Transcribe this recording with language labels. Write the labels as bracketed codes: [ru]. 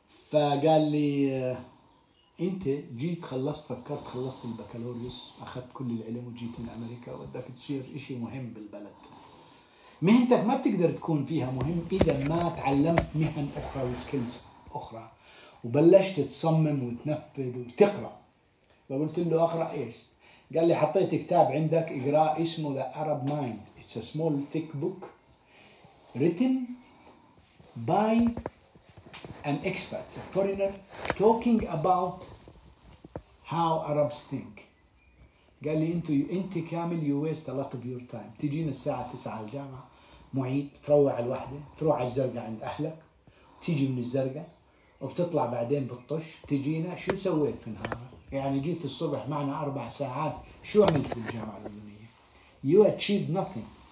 [ar] فقال لي أنت جيت خلصت، فكرت خلصت البكالوريوس أخذت كل العلم وجيت من أمريكا وبدك تصير إشي مهم بالبلد، مهنتك ما بتقدر تكون فيها مهم إذا ما تعلمت مهن أخرى وسكيلز أخرى وبلشت تصمم وتنفذ وتقرأ. فقلت له أقرأ إيش؟ قال لي حطيت كتاب عندك اقرأ اسمه The Arab Mind. [en] It's a small thick book written by an expert, a foreigner, talking about how Arabs think. [ar] قال لي أنت كامل [en] you waste a lot of your time. [ar] تجينا الساعة 9 الجامعة معيد، تروح على الوحدة، تروح على الزرقة عند أهلك، تيجي من الزرقة وبتطلع بعدين بالطش تجينا، شو سويت في النهار؟ يعني جيت الصبح معنا 4 ساعات، شو عملت في الجامعة اللبنانية؟ [en] You achieved nothing.